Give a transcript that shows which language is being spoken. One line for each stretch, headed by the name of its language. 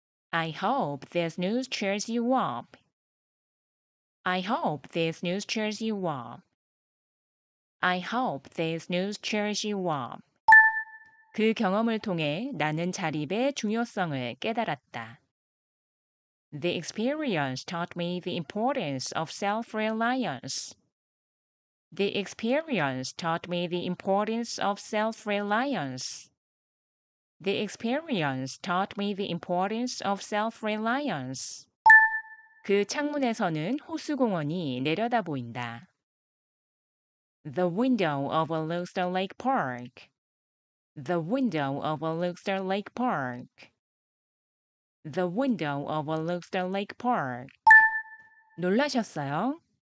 English: I hope this news cheers you up. I hope this news cheers you up. I hope this news cheers you up.
Korean: 그 경험을 통해 나는 자립의 중요성을 깨달았다.
English: The experience taught me the importance of self-reliance. The experience taught me the importance of self-reliance. The experience taught me the importance of self-reliance.
Korean: 그 창문에서는 호수 공원이 내려다 보인다.
English: The window overlooks the lake park. The window overlooks the lake park. The window overlooks the lake park.
Korean: 놀라셨어요?